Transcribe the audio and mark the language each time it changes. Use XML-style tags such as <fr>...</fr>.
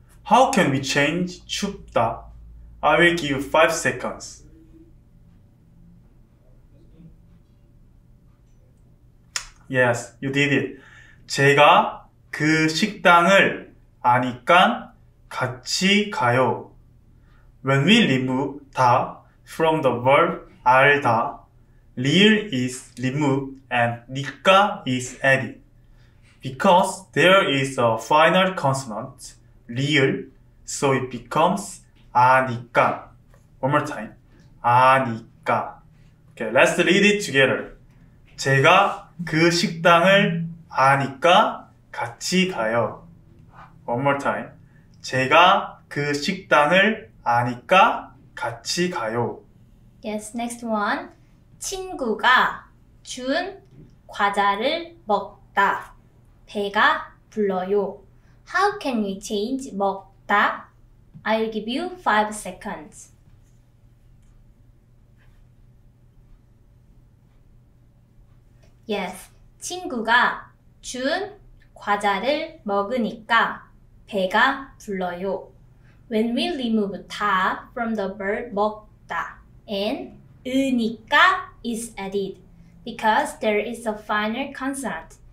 <en>How can we change 춥다? I will give you 5 seconds. Yes, you did it.</en> <ko>제가 그 식당을 아니까 같이 가요.</ko> <en>When we remove 다 from the verb 알다, 리을 is removed and 니까 is added. Because there is a final consonant, 리을, so it becomes 아니까. One more time. 아니까. Okay, let's read it together.</en> <ko>제가 그 식당을 아니까 같이 가요.</ko> <en>One more time.</en> <ko>제가 그 식당을 아니까 같이 가요.</ko> <en>Yes, next one.</en> <ko>친구가 준 과자를 먹다. 배가 불러요.</ko> <en>How can we change 먹다? I'll give you 5 seconds. 예스. Yes.</en> <ko>친구가 준 과자를 먹으니까 배가 불러요.</ko> <en>When we remove 다 from the verb 먹다 and 으니까 is added because there is a final consonant.</en>